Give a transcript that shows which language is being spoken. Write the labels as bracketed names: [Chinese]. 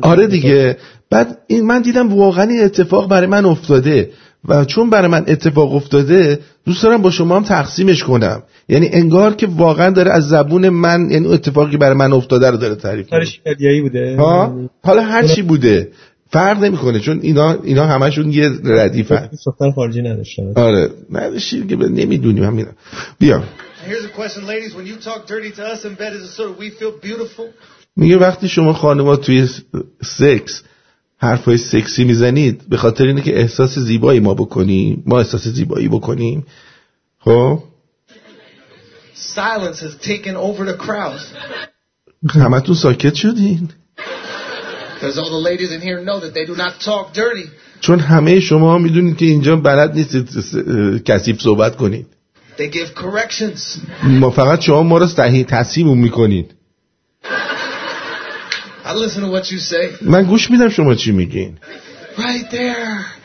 [Persian] آره دیگه بعد این من دیدم واقعا این اتفاق برای من افتاده و چون برای من اتفاق افتاده دوست دارم با شما هم تقسیمش کنم، یعنی انگار که واقعا داره از زبون من، یعنی اتفاقی برای من افتاده رو داره تعریف کنه. شکریه بوده ها؟ حالا هر چی بوده فرق نمیکنه، چون اینا همشون یه ردیفه. سفر خارجی نداشتم. آره نداشتی که نمیدونیم همینا. بیا [English] here's a question ladies, when you talk dirty to us in bed is it so we feel beautiful. [Persian] میگه وقتی شما خانوما توی سکس حرفای سکسی میزنید به خاطر اینه که احساس زیبایی ما بکنیم، ما احساس زیبایی بکنیم. خب [English] silence has taken over the crowd. [Persian] همه تو ساکت شدین. [English] Because all the ladies in here know that they do not talk dirty. [Persian] چون همه شما میدونید که اینجا بلد نیستید کثیف صحبت کنید. [English] They give corrections. [Persian] ما فقط شما ما را صحیح تصحیح میکنید. [English] I listen to what you say. [Persian] من گوش میدم شما چی میگین. [English] Right there.